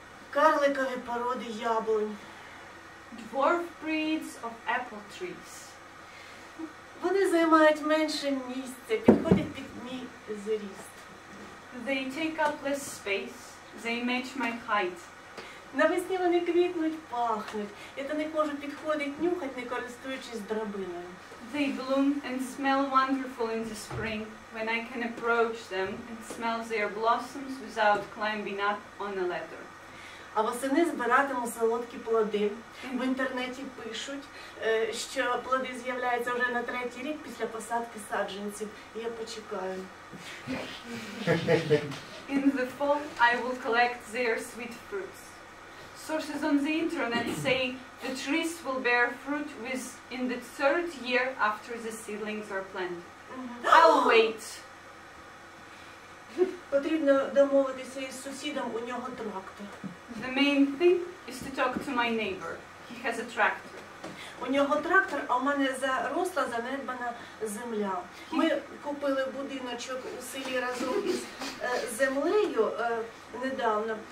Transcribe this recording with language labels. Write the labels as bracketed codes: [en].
[uk] Карликові породи яблунь. [en] Dwarf breeds of apple trees. [uk] Вони займають менше місця, підходять під мій зріст. [en] They take up less space, they match my height. [uk] Навесні вони квітнуть, пахнуть, і вони можуть підходити, нюхати, не користуючись драбиною. [en] They bloom and smell wonderful in the spring, when I can approach them and smell their blossoms without climbing up on a ladder. [uk] А восени збиратиму солодкі плоди. В інтернеті пишуть, що плоди з'являються вже на третій рік після посадки саджанців. Я почекаю. [en] In the fall I will collect their sweet fruits. Sources on the internet say the trees will bear fruit within the third year after the seedlings are planted. I'll wait. [uk] Потрібно домовитися із сусідом, у нього трактор. [en] The main thing is to talk to my neighbor. He has a tractor. [uk] У нього трактор, а у мене заросла занедбана земля. Ми купили будиночок у селі разом із землею недавно.